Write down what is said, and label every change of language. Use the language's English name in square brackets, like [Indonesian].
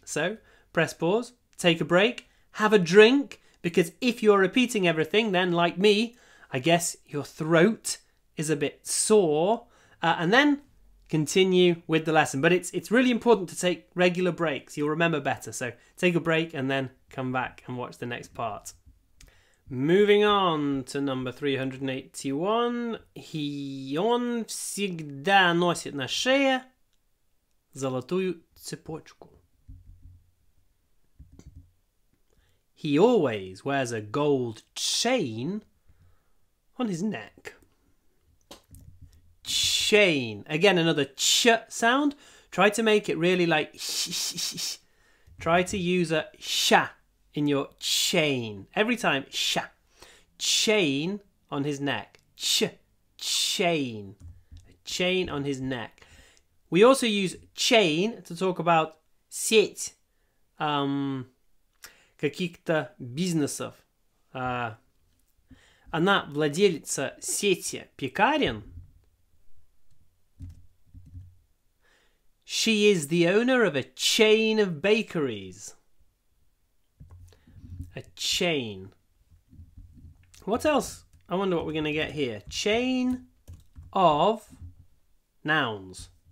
[English] So, press pause, take a break, have a drink, because if you're repeating everything, then like me, I guess your throat is a bit sore, and then continue with the lesson. But it's really important to take regular breaks. You'll remember better. So take a break and then come back and watch the next part. Moving on to number 381. [Russian] He, он всегда носит на шее золотую цепочку. [English] He always wears a gold chain on his neck. Chain. Again, another ch sound. Try to make it really like sh. Try to use a sh in your chain. Every time, sh. Chain on his neck. Ch. Chain. Chain on his neck. We also use chain to talk about [Russian] сеть каких-то бизнесов. Она владелица сети пекарен. [English] She is the owner of a chain of bakeries. A chain. What else? I wonder what we're going to get here. Chain of nouns.